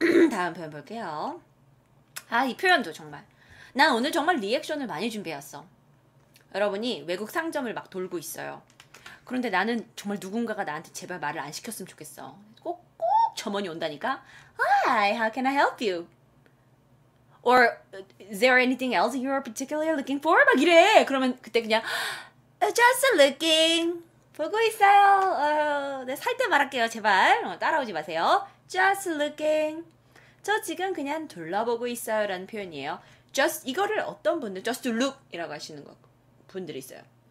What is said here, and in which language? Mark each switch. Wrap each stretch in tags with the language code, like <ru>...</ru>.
<ko>다음 표현 볼게요. 아, 이 표현도 정말. 난 오늘 정말 리액션을 많이 준비했어. 여러분이 외국 상점을 막 돌고 있어요. 그런데 나는 정말 누군가가 나한테 제발 말을 안 시켰으면 좋겠어.</ko> <en>꼭 점원이 온다니까. Hi, how can I help you? Or is there anything else you are particularly looking for?</en> <ko>막 이래. 그러면 그때 그냥 Just looking. 보고 있어요. 네, 살 때 말할게요. 제발 따라오지 마세요.</ko> <en>Just looking.</en> <ko>저 지금 그냥 둘러보고 있어요 라는 표현이에요. Just 이거를 어떤 분들 Just look 이라고 하시는 거 분들이 있어요.</ko>